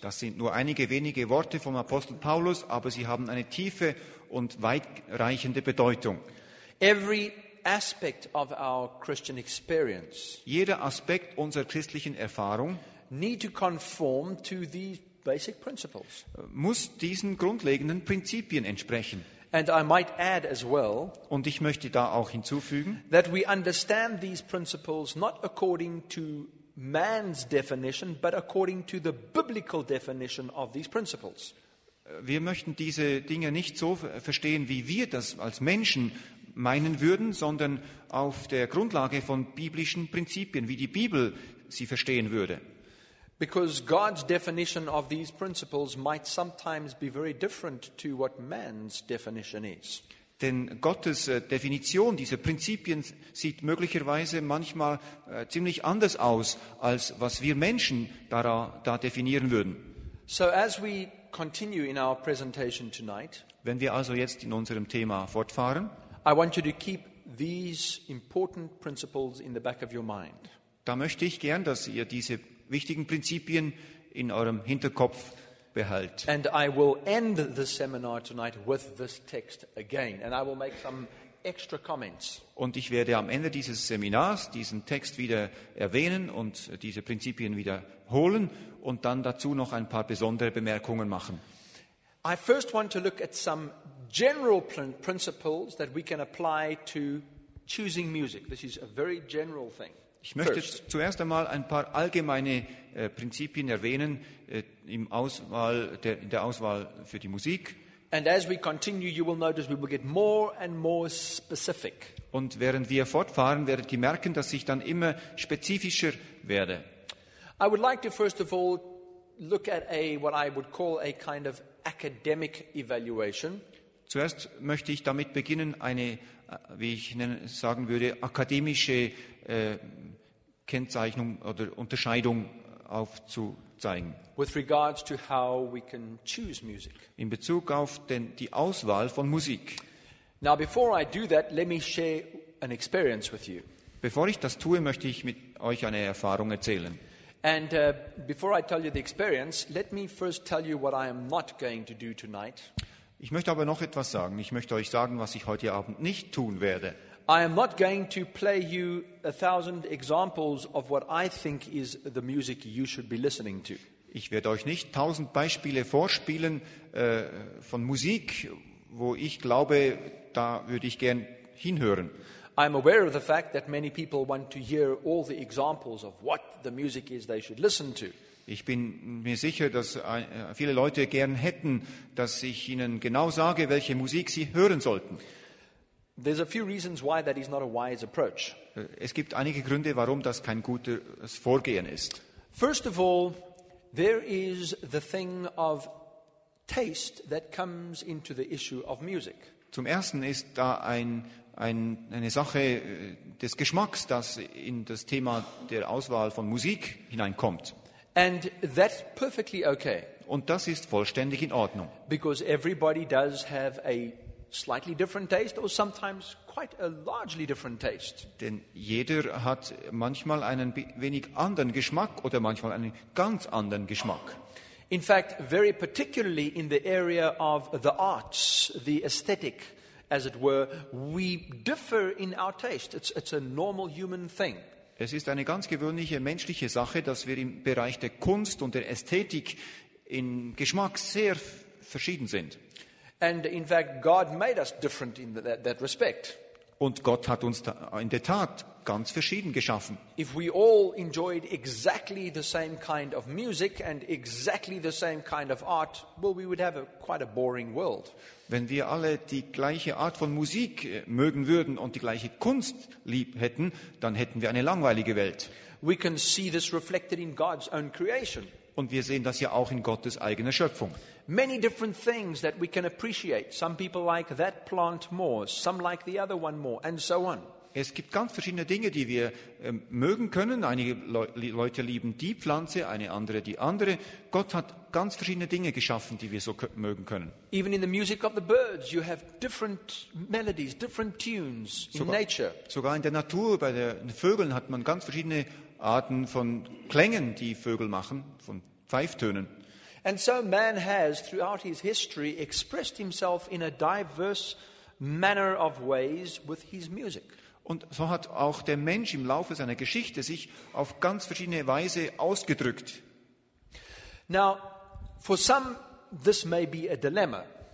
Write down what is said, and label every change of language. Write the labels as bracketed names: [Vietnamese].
[German] Das sind nur einige wenige Worte vom Apostel Paulus, aber sie haben eine tiefe und weitreichende Bedeutung. [English] Every aspect of our Christian experience. [German] Jeder Aspekt unserer christlichen Erfahrung [English] need to conform to these basic principles. [German] Muss diesen grundlegenden Prinzipien entsprechen. [English] And I might add as well, [German] und ich möchte da auch hinzufügen, [English] that we understand these principles not according to man's definition, but according to the biblical definition of these principles. [German] Wir möchten diese Dinge nicht so verstehen, wie wir das als Menschen meinen würden, sondern auf der Grundlage von biblischen Prinzipien, wie die Bibel sie verstehen würde. [English] Because God's definition of these principles might sometimes be very different to what man's definition is. [German] Denn Gottes Definition dieser Prinzipien sieht möglicherweise manchmal ziemlich anders aus, als was wir Menschen da definieren würden. [English] So as we continue in our presentation tonight, [German] wenn wir also jetzt in unserem Thema fortfahren, [English] I want you to keep these important principles in the back of your mind. [German] Da möchte ich gern, dass ihr diese wichtigen Prinzipien in eurem Hinterkopf behält. [English] And I will end the seminar tonight with this text again, and I will make some extra comments. [German] Und ich werde am Ende dieses Seminars diesen Text wieder erwähnen und diese Prinzipien wiederholen und dann dazu noch ein paar besondere Bemerkungen machen. [English] I first want to look at some general principles that we can apply to choosing music. This is a very general thing. [German] Ich möchte zuerst einmal ein paar allgemeine Prinzipien erwähnen in der Auswahl für die Musik. [English] And as we continue, you will notice we will get more and more specific. [German] Und während wir fortfahren, werdet ihr merken, dass ich dann immer spezifischer werde. [English] I would like to first of all look at what I would call a kind of academic evaluation. [German] Zuerst möchte ich damit beginnen, eine, wie ich sagen würde, akademische Kennzeichnung oder Unterscheidung aufzuzeigen. [English] With regards to how we can choose music. [German] In Bezug auf die Auswahl von Musik. [English] Now before I do that, let me share an experience with you. [German] Bevor ich das tue, möchte ich mit euch eine Erfahrung erzählen. [English] And before I tell you the experience, let me first tell you what I am not going to do tonight. [German] Ich möchte aber noch etwas sagen. Ich möchte euch sagen, was ich heute Abend nicht tun werde. [English] I am not going to play you 1,000 examples of what I think is the music you should be listening to. [German] Ich werde euch nicht 1,000 Beispiele vorspielen von Musik, wo ich glaube, da würde ich gern hinhören. [English] I am aware of the fact that many people want to hear all the examples of what the music is they should listen to. [German] Ich bin mir sicher, dass viele Leute gern hätten, dass ich ihnen genau sage, welche Musik sie hören sollten. [English] There's a few reasons why that is not a wise approach. [German] Es gibt einige Gründe, warum das kein gutes Vorgehen ist. [English] First of all, there is the thing of taste that comes into the issue of music. [German] Zum Ersten ist da eine Sache des Geschmacks, das in das Thema der Auswahl von Musik hineinkommt. [English] And that's perfectly okay. [German] Und das ist vollständig in Ordnung. [English] Because everybody does have a slightly different taste or sometimes quite a largely different taste. [German] Denn jeder hat manchmal einen wenig anderen Geschmack oder manchmal einen ganz anderen Geschmack. [English] In fact, very particularly in the area of the arts, the aesthetic, as it were, we differ in our taste. It's a normal human thing. [German] Es ist eine ganz gewöhnliche menschliche Sache, dass wir im Bereich der Kunst und der Ästhetik im Geschmack sehr verschieden sind. [English] And in fact, God made us different in that respect. [German] Und Gott hat uns in der Tat ganz verschieden geschaffen. [English] If we all enjoyed exactly the same kind of music and exactly the same kind of art, well, we would have quite a boring world. [German] Wenn wir alle die gleiche Art von Musik mögen würden und die gleiche Kunst lieb hätten, dann hätten wir eine langweilige Welt. [English] We can see this reflected in God's own creation. [German] Und wir sehen das ja auch in Gottes eigener Schöpfung. [English] Many different things that we can appreciate. Some people like that plant more, some like the other one more, and so on. [German] Es gibt ganz verschiedene Dinge, die wir mögen können. Einige Leute lieben die Pflanze, eine andere die andere. Gott hat ganz verschiedene Dinge geschaffen, die wir so mögen können. [English] Even in the music of the birds, you have different melodies, different tunes in nature. [German] Sogar in der Natur, bei den Vögeln, hat man ganz verschiedene Arten von Klängen, die Vögel machen, von Pfeiftönen. [English] And so man has, throughout his history, expressed himself in a diverse manner of ways with his music. [German] Und so hat auch der Mensch im Laufe seiner Geschichte sich auf ganz verschiedene Weise ausgedrückt. [English] Now, for some, this may be a dilemma.